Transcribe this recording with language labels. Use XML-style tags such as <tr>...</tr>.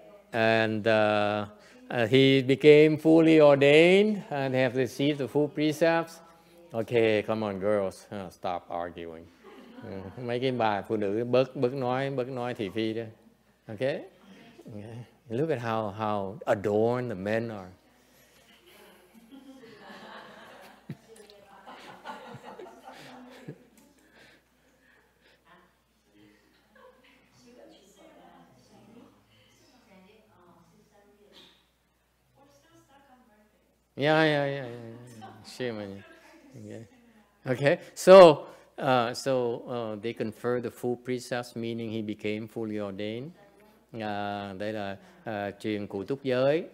<en>And he became fully ordained and have received the full precepts. Okay, come on, girls, stop arguing.</en> <vi>Mấy cái bà phụ nữ bớt nói thị phi đó.</vi> <en>Okay? Look at how adorned the men are. Yeah. Shame on you. Okay. So they confer the full precepts, meaning he became fully ordained.</en> <vi>Đây là truyền cụ túc giới.</vi>